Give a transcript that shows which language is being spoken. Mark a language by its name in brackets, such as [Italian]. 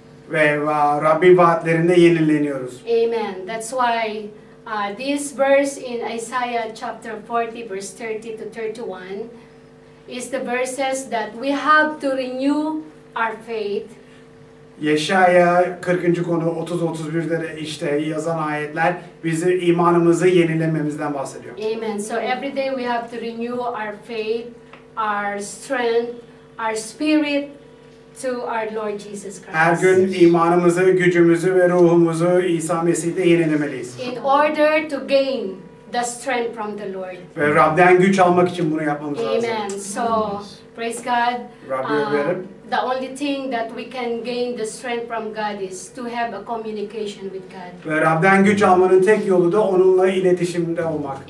[Turkish] Ve Rabbin vaatlerinde yenileniyoruz. Amen. [English] That's why this verse in Isaiah chapter 40 verse 30 to 31 is the verses that we have to renew our faith. [Turkish] Yeşaya 40. konu 30-31'de de işte yazan ayetler bizi imanımızı yenilememizden bahsediyor. Amen. [English] So every day we have to renew our faith, our strength, our spirit to our Lord Jesus Christ. [Turkish] Her gün imanımızı, gücümüzü ve ruhumuzu İsa Mesih'te yenilemeliyiz. [English] In order to gain the strength from the Lord. [Turkish] Ve Rab'den güç almak için bunu yapmamız lazım. [English] Amen. So, praise God. [Turkish] Rabbi'ye verin. [English] The only thing that we can gain the strength from God is to have a communication with God. [Turkish] Ve Rab'den güç almanın tek yolu da onunla iletişimde olmak.